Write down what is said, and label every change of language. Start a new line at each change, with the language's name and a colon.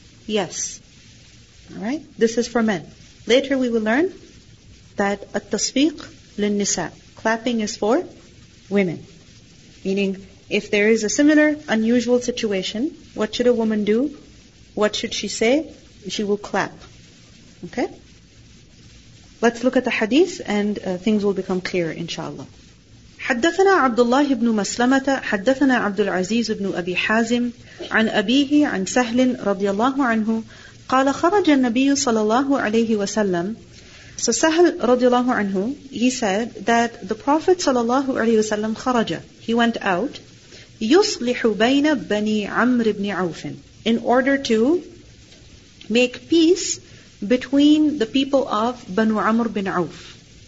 English: Yes. Alright? This is for men. Later we will learn that At-Tasfiq lil-Nisa, clapping is for women. Meaning, if there is a similar, unusual situation, what should a woman do? What should she say? She will clap. Okay? Let's look at the hadith and things will become clear, inshallah.
Arabic: حدثنا عبد الله بن مسلمة حدثنا عبد العزيز بن أبي حازم عن أبيه عن سهل رضي الله عنه قال خرج النبي صلى الله عليه وسلم.
English: So Sahal radiallahu anhu, he said that the Prophet sallallahu alayhi wa sallam kharaja, he went out,
Arabic: yuslihu bayna bani Amr ibn Auf,
English: in order to make peace between the people of Banu Amr bin Auf.